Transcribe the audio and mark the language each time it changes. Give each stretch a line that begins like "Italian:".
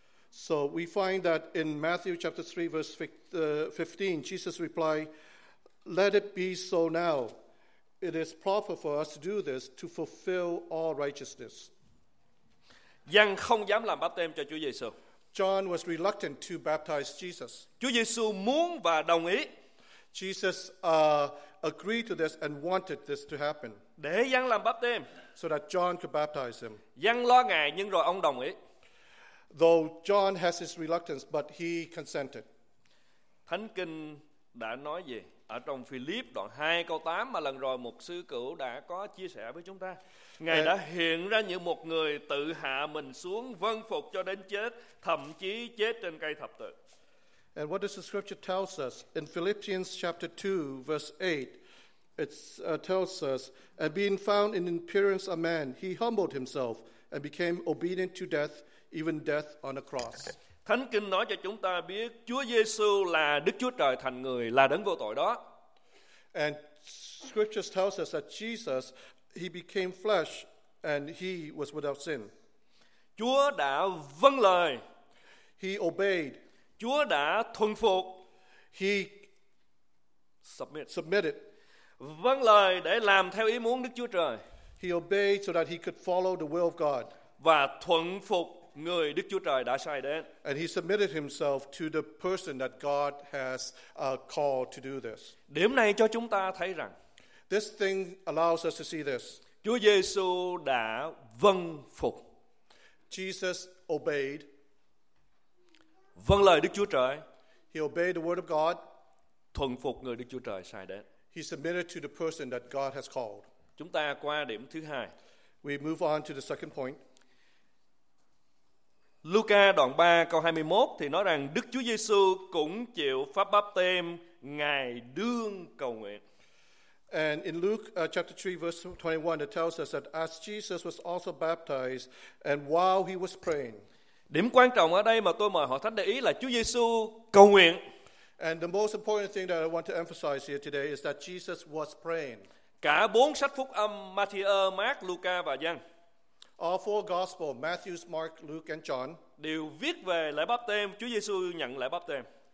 English: So we find that in Matthew chapter 3 verse 15, Jesus replied, let it be so now. It is proper for us to do this to fulfill all righteousness.
Vietnamese: Giăng không dám làm báp têm cho Chúa Giêsu.
English: John was reluctant to baptize Jesus.
Vietnamese: Chúa Giêsu muốn và đồng ý.
English: Jesus agreed to this and wanted this to happen.
Vietnamese: Để Giăng làm báp têm.
English: So that John could baptize him.
Vietnamese: Giăng lo ngại nhưng rồi ông đồng ý.
English: Though John has his reluctance, but he consented.
Vietnamese: Thánh Kinh đã nói gì? Ở trong Philip đoạn 2 câu 8 mà lần rồi mục sư cửu đã có chia sẻ với chúng ta. Ngài đã hiện ra như một người tự hạ mình xuống vâng phục cho đến chết, thậm chí chết trên cây thập tự.
English: And what does the scripture tells us? In Philippians chapter 2 verse 8, it tells us, and being found in appearance a man, he humbled himself and became obedient to death, even death on a cross.
Vietnamese: Thánh Kinh nói cho chúng ta biết Chúa Giêsu là Đức Chúa Trời thành người, là đấng vô tội đó.
English: And scriptures tells us that Jesus, he became flesh and he was without sin.
Vietnamese: Chúa đã vâng lời.
English: He obeyed.
Vietnamese: Chúa đã thuần phục.
English: He submitted.
Vietnamese: Vâng lời để làm theo ý muốn Đức Chúa Trời.
English: He obeyed so that he could follow the will of God.
Vietnamese: Và thuần phục người Đức Chúa Trời đã sai đến.
English: And he submitted himself to the person that God has called to do this.
Vietnamese: Điểm này cho chúng ta thấy rằng
English: this thing allows us to see this.
Vietnamese: Chúa Giêsu đã vâng phục.
English: Jesus obeyed.
Vietnamese: Vâng lời Đức Chúa Trời.
English: He obeyed the word of God.
Vietnamese: Thuận phục người Đức Chúa Trời sai đến.
English: He submitted to the person that God has called.
Vietnamese: Chúng ta qua điểm thứ hai.
English: We move on to the second point.
Vietnamese: Luca đoạn 3 câu 21 thì nói rằng Đức Chúa Giêsu cũng chịu pháp báp têm, Ngài đương cầu nguyện.
English: And in Luke chapter 3 verse 21 it tells us that as Jesus was also baptized and while he was praying.
Vietnamese: Điểm quan trọng ở đây mà tôi mời hội thánh để ý là Chúa Giêsu cầu nguyện.
English: And the most important thing that I want to emphasize here today is that Jesus was praying.
Vietnamese: Cả bốn sách phúc âm Matthew, Mark, Luca và Giăng.
English: All four gospels, Matthew, Mark, Luke, and John,
Vietnamese: đều viết về lễ báp têm, Chúa Giêsu nhận lễ báp têm.